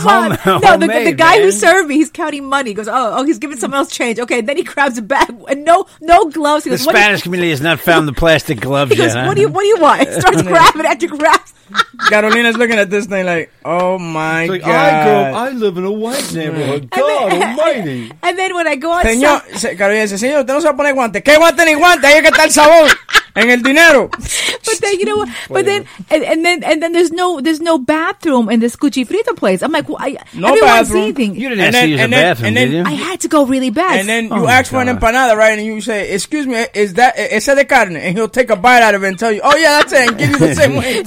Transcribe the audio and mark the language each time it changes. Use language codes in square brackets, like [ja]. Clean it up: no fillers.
[en] The guy who served me, he's counting money. He goes, oh, he's giving someone else change. Okay, and then he grabs a bag and no gloves. He goes, the Spanish community has not found the plastic gloves he goes, yet. What do you want? It starts grabbing after grabs. Carolina's looking at this thing like, oh my like, god. I live in a white neighborhood. God almighty. And then when I go outside. [es] Señor, Carolina dice, señor, usted no se va a poner guante. ¿Qué guante ni guante? Ahí es que está el sabor. En el dinero. [en] But But then, you know what? But then, and then there's no bathroom in this Cuchifrito place. I'm like, well, everyone's eating. You didn't have to use a bathroom, did you? I had to go really bad. And then you ask for an empanada, right? And you say, excuse me, is that, [es] ese de carne? [en] And he'll take a bite out of it and tell you, oh yeah, that's it, and give you the same way.